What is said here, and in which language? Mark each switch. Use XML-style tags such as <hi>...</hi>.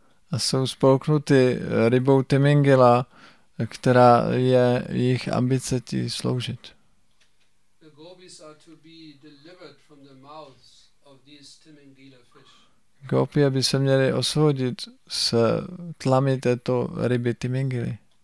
<cs>A jsou spolknuty rybou Timingila, která je jejich ambice ti sloužit.</cs> <en>gopis are to be delivered from the mouths of these Timangila fish.</en> <cs>Gopi, aby se měli osvobodit z tlamy této ryby Timangily.</cs>